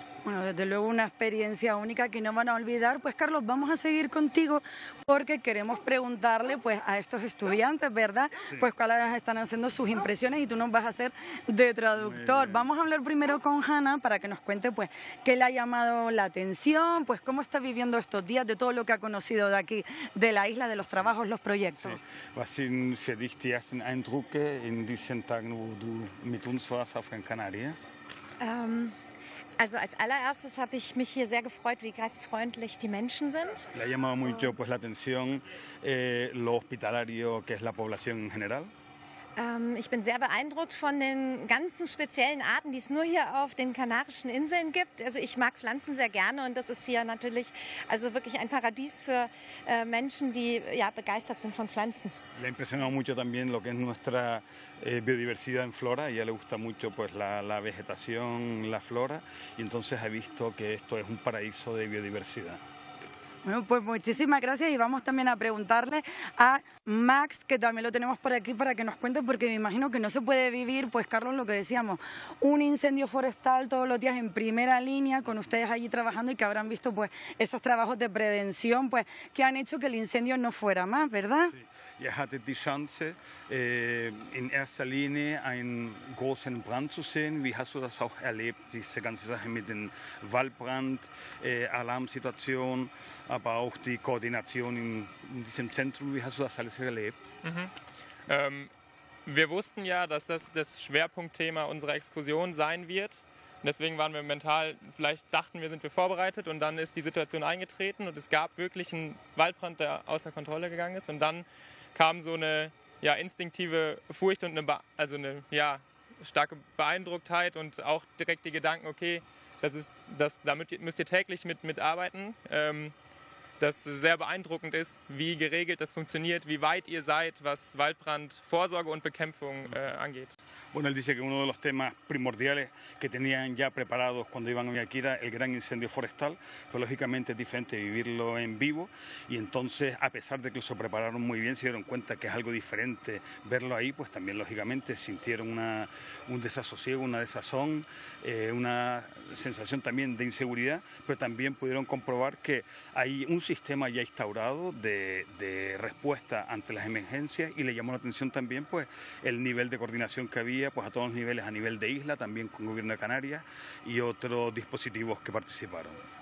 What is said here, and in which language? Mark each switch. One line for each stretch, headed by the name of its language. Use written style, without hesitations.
Spanish: Bueno, desde luego una experiencia única que no van a olvidar. Pues Carlos, vamos a seguir contigo porque queremos preguntarle pues a estos estudiantes, ¿verdad? Sí. Pues cuáles están haciendo sus impresiones y tú nos vas a hacer de traductor. Vamos a hablar primero con Hanna para que nos cuente pues qué le ha llamado la atención, pues cómo está viviendo estos días de todo lo que ha conocido de aquí, de la isla, de los trabajos, los proyectos. Sí.
German: Was sind für dich die ersten Eindrücke in diesen Tagen, wo du mit uns warst auf Gran Canaria? Also als allererstes habe ich mich hier sehr gefreut, wie gastfreundlich die Menschen sind.
Spanish: Le ha llamado mucho pues la atención lo hospitalario que es la población en general.
German: Ich bin sehr beeindruckt von den ganzen speziellen Arten, die es nur hier auf den Kanarischen Inseln gibt. Also ich mag Pflanzen sehr gerne und das ist hier natürlich also wirklich ein Paradies für Menschen, die ja begeistert sind von Pflanzen.
Spanish: Le ha impresionado mucho también lo que es nuestra biodiversidad en flora. A ella le gusta mucho pues la vegetación, la flora y entonces ha visto que esto es un paraíso de biodiversidad. Bueno, pues muchísimas gracias y vamos también a preguntarle a Max, que también lo tenemos por aquí para que nos cuente, porque me imagino que no se puede vivir, pues Carlos, lo que decíamos, un incendio forestal todos los días en primera línea con ustedes allí trabajando y que habrán visto pues esos trabajos de prevención pues que han hecho que el incendio no fuera más, ¿verdad? Sí.
German: Ihr hattet die Chance, in erster Linie einen großen Brand zu sehen. Wie hast du das auch erlebt, diese ganze Sache mit dem Waldbrand, Alarmsituation, aber auch die Koordination in diesem Zentrum? Wie hast du das alles erlebt? Wir wussten ja, dass das das Schwerpunktthema unserer Exkursion sein wird. Deswegen waren wir mental, vielleicht dachten wir, sind wir vorbereitet und dann ist die Situation eingetreten und es gab wirklich einen Waldbrand, der außer Kontrolle gegangen ist und dann kam so eine ja, instinktive Furcht und eine starke Beeindrucktheit und auch direkt die Gedanken, okay, Damit müsst ihr täglich mitarbeiten. Das sehr beeindruckend ist, wie geregelt das funktioniert, wie weit ihr seid, was Waldbrandvorsorge und Bekämpfung angeht.
Spanish: Bueno, él dice que uno de los temas primordiales que tenían ya preparados cuando iban a Guayaquil era el gran incendio forestal, pero lógicamente es diferente vivirlo en vivo. Y entonces, a pesar de que se prepararon muy bien, se dieron cuenta que es algo diferente verlo ahí, pues también lógicamente sintieron un desasosiego, una desazón, una sensación también de inseguridad, pero también pudieron comprobar que hay un sistema ya instaurado de respuesta ante las emergencias, y le llamó la atención también pues el nivel de coordinación que había pues a todos los niveles, a nivel de isla, también con Gobierno de Canarias y otros dispositivos que participaron.